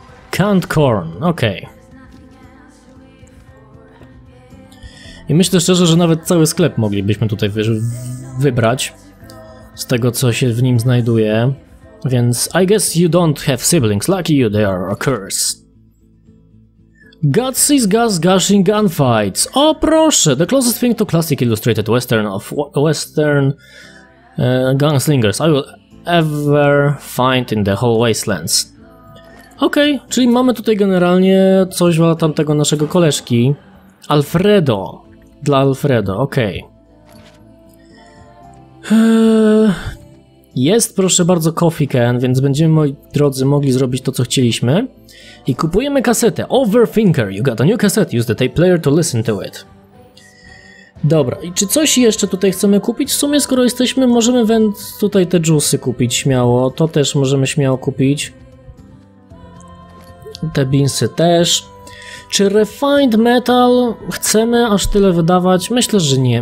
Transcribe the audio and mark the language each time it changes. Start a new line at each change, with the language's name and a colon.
English: Canned corn, okej.
Polish: I myślę szczerze, że nawet cały sklep moglibyśmy tutaj wybrać z tego, co się w nim znajduje.
English: Więc I guess you don't have siblings. Lucky you, they are a curse. God sees gas gushing gunfights.
Polish: O proszę,
English: the closest thing to classic illustrated western of western gunslingers I will ever find in the whole wastelands.
Polish: Okej, okay, czyli mamy tutaj generalnie coś dla tamtego naszego koleżki. Alfredo. Dla Alfredo, okej. Okay. Jest, proszę bardzo, coffee can, więc będziemy, moi drodzy, mogli zrobić to, co chcieliśmy. I kupujemy kasetę.
English: Overthinker, you got a new cassette, use the tape player to listen to it.
Polish: Dobra, i czy coś jeszcze tutaj chcemy kupić? W sumie, skoro jesteśmy, możemy tutaj te juicy kupić śmiało. To też możemy śmiało kupić. Te beansy też. Czy refined metal chcemy aż tyle wydawać? Myślę, że nie.